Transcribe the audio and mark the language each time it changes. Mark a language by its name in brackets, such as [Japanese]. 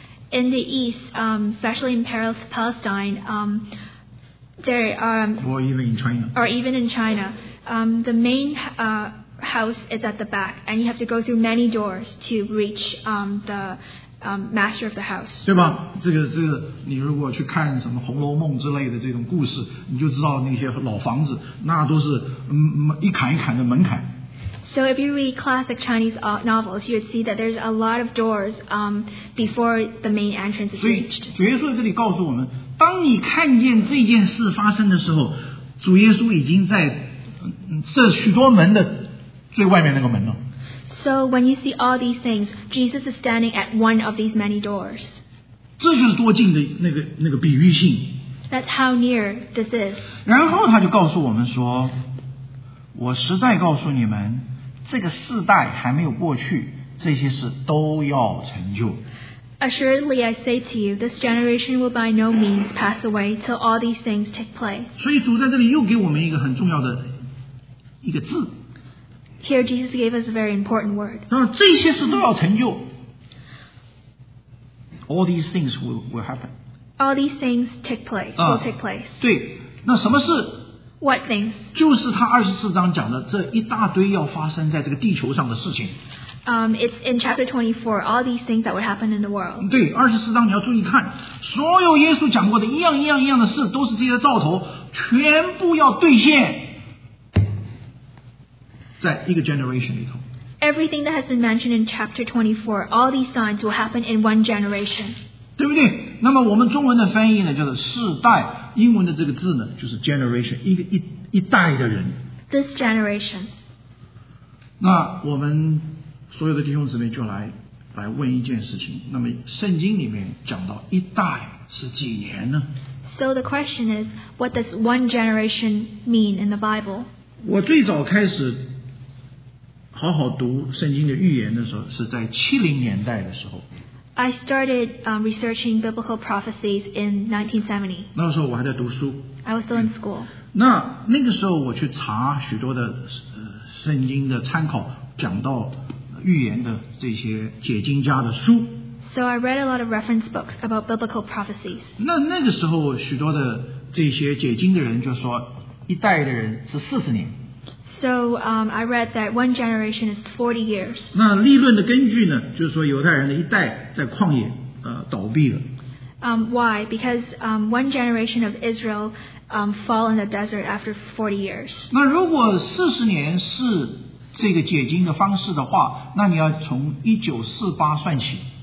[English] In the East, especially in Palestine, there are or even in China. Or even in China, the main house is at the back, and you have to go through many doors to reach the master of the house. [Chinese] 对吧？这个，你如果去看什么《红楼梦》之类的这种故事，你就知道那些老房子，那都是一坎一坎的门槛。 [English] So if you read classic Chinese novels, you would see that there's a lot of doors before the main entrance is reached. [Chinese] 主耶稣在这里告诉我们，当你看见这件事发生的时候，主耶稣已经在这许多门的最外面那个门了。 [English] So when you see all these things, Jesus is standing at one of these many doors. [Chinese] 这就是多近的那个比喻性。 [English] That's how near this is. [Chinese] 然后他就告诉我们说，我实在告诉你们，这个世代还没有过去，这些事都要成就。 [English] Assuredly, I say to you, this generation will by no means pass away till all these things take place. [Chinese] 所以主在这里又给我们一个很重要的一个字。 [English] Here Jesus gave us a very important word. [Chinese] 这些事都要成就。 [English] All these things will happen. All these things take place, will take place. [Chinese] 对，那什么事？ [English] What things? [Chinese] 就是他二十四章讲的这一大堆要发生在这个地球上的事情。 [English] It's in chapter 24, all these things that would happen in the world. [Chinese] 对，二十四章你要注意看，所有耶稣讲过的一样的事，都是这些兆头，全部要兑现，在一个 generation 里头。 [English] Everything that has been mentioned in chapter 24, all these signs will happen in one generation. [Chinese] 对不对？那么我们中文的翻译呢，就是世代。英文的这个字呢，就是 generation， 一代的人。 [English] This generation。 [Chinese] 那我们所有的弟兄姊妹就来问一件事情，那么圣经里面讲到一代是几年呢？ [English] So the question is, what does one generation mean in the Bible? [Chinese] 我最早开始好好读圣经的预言的时候是在70年代的时候。 [English] I started researching biblical prophecies in 1970. [Chinese] 那时候我还在读书。 [English] I was still in school. [Chinese] 那个时候我去查许多的圣经的参考，讲到预言的这些解经家的书。 [English] So I read a lot of reference books about biblical prophecies. [Chinese] 那个时候许多的这些解经的人就说，一代的人是40年。 [English] So I read that one generation is 40 years. [Chinese] 那立论的根据呢，就是说犹太人的一代在旷野倒闭了。 [English] Why? Because one generation of Israel fall in the desert after 40 years. [Chinese] 那如果40年是这个解经的方式的话，那你要从1948算起。